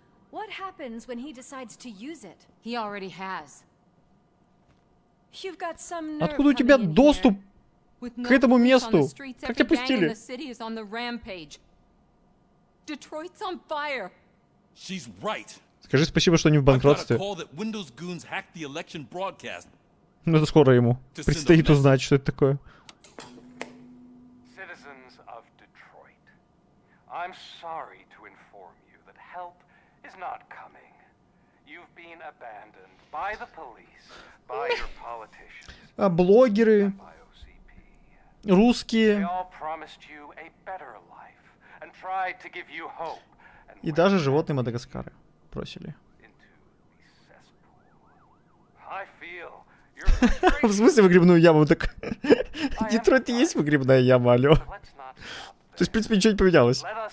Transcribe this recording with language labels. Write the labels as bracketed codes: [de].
[en] What happens when he decides to use it? He already has. You've got some nerve. [ru] Откуда у тебя доступ к этому месту? Как тебя пустили? [en] The city is on the rampage. Detroit's on fire. She's right. [ru] Скажи спасибо, что не в банкротстве. [en] Call that Windows goons hacked the election broadcast. [ru] Ну это скоро ему предстоит узнать, что это такое. [en] Citizens of Detroit, I'm sorry to inform you that help is not coming. You've been abandoned by the police, by your politicians. [ru] А блогеры, русские. [en] They all promised you a better life and tried to give you hope. [ru] И даже животные Мадагаскара просили. В смысле выгребную яму? Так Детройт есть выгребная яма, алло. То есть, в принципе, ничего не поменялось.